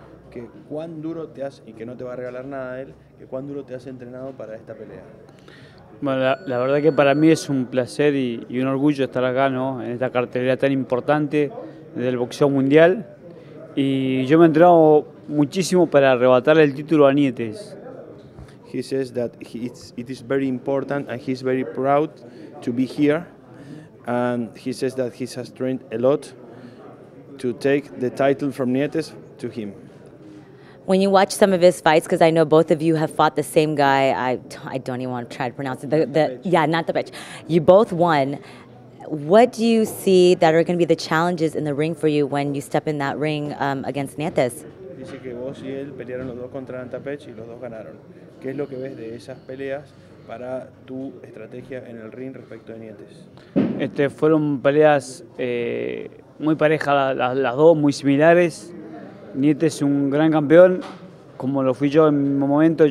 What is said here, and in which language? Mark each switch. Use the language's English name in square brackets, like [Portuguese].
[Spanish] Que cuán duro te has, y que no te va a regalar nada a él, que cuán duro te has entrenado para esta pelea. Bueno, la verdad que para mí es un placer y un orgullo estar acá, ¿no? En esta cartelera tan importante del boxeo mundial. Y yo me he entrenado muchísimo para arrebatarle el título a Nietes. [English] He says that it is very important and he's very proud to be here. And he says that he has trained a lot to take the title from Nietes to him. When you watch some of his fights, because I know both of you have fought the same guy, I don't even want to try to pronounce it. Not the bitch. You both won. What do you see that are going to be the challenges in the ring for you when you step in that ring against Nietes? [Spanish] Dice que vos y él pelearon los dos contra Antapech y los dos ganaron. ¿Qué es lo que ves de esas peleas para tu estrategia en el ring respecto de Nietes? Fueron peleas muy parejas las dos, muy similares. Nietes es un gran campeón, como lo fui yo en mi momento.